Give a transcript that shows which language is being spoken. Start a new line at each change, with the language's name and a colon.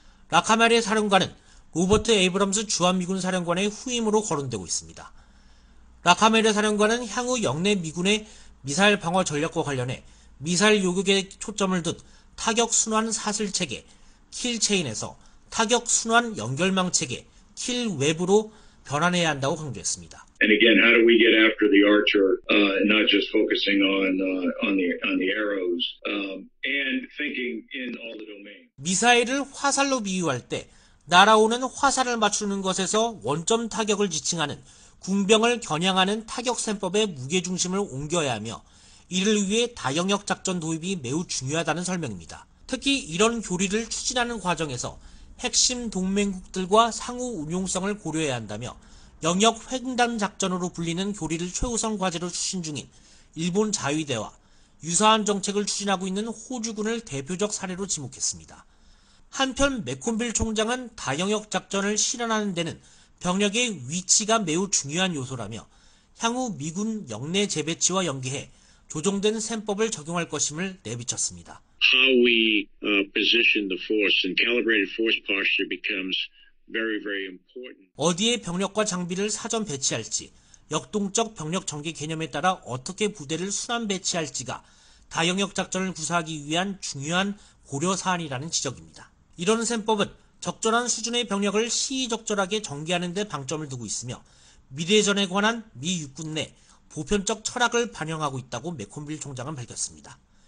Korean: 라카마리의 사령관은 로버트 에이브럼스 주한미군 사령관의 후임으로 거론되고 있습니다. 라카메르 사령관은 향후 영내 미군의 미사일 방어 전략과 관련해 미사일 요격에 초점을 둔 타격 순환 사슬 체계 킬 체인에서 타격 순환 연결망 체계 킬 웹으로 변환해야 한다고 강조했습니다.
English: And again, how do we get after the archer, not just focusing on the arrows, and thinking in all the domains.
Korean: 미사일을 화살로 비유할 때 날아오는 화살을 맞추는 것에서 원점 타격을 지칭하는 궁병을 겨냥하는 타격셈법의 무게중심을 옮겨야 하며 이를 위해 다영역 작전 도입이 매우 중요하다는 설명입니다. 특히 이런 교리를 추진하는 과정에서 핵심 동맹국들과 상호 운용성을 고려해야 한다며 영역 횡단 작전으로 불리는 교리를 최우선 과제로 추진 중인 일본 자위대와 유사한 정책을 추진하고 있는 호주군을 대표적 사례로 지목했습니다. 한편 맥콤빌 총장은 다영역 작전을 실현하는 데는 병력의 위치가 매우 중요한 요소라며 향후 미군 역내 재배치와 연계해 조정된 셈법을 적용할 것임을 내비쳤습니다.
English: How we position the force and calibrated force posture becomes very, very important.
Korean: 어디에 병력과 장비를 사전 배치할지, 역동적 병력 전개 개념에 따라 어떻게 부대를 순환 배치할지가 다영역 작전을 구사하기 위한 중요한 고려 사안이라는 지적입니다. 이런 셈법은 적절한 수준의 병력을 시의적절하게 전개하는 데 방점을 두고 있으며 미래전에 관한 미 육군 내 보편적 철학을 반영하고 있다고 맥콤빌 총장은 밝혔습니다.